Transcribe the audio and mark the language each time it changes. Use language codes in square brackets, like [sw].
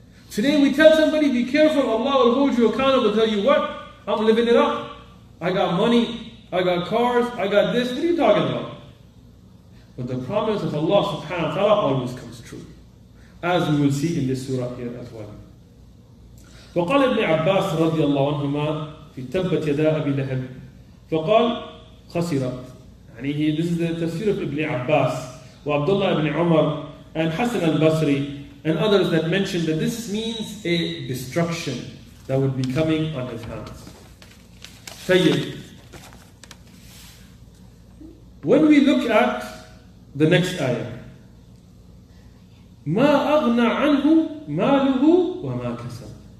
[en] Today we tell somebody, be careful, Allah will hold you accountable, tell you what, I'm living it up. I got money, I got cars, I got this, what are you talking about? But the promise of Allah subhanahu wa ta'ala always comes true. As we will see in this surah here as well. [ar] فقال ابن عباس رضي الله عنهما في تبت يدا أبي لهب فقال خسر. [en] This is the tafsir of Ibn Abbas, وعبدالله ibn Umar, and Hassan al-Basri, and others that mentioned that this means a destruction that would be coming on his hands. Sayyid, when we look at the next ayah, [ar] ما أغنى عنه ماله وما كسب.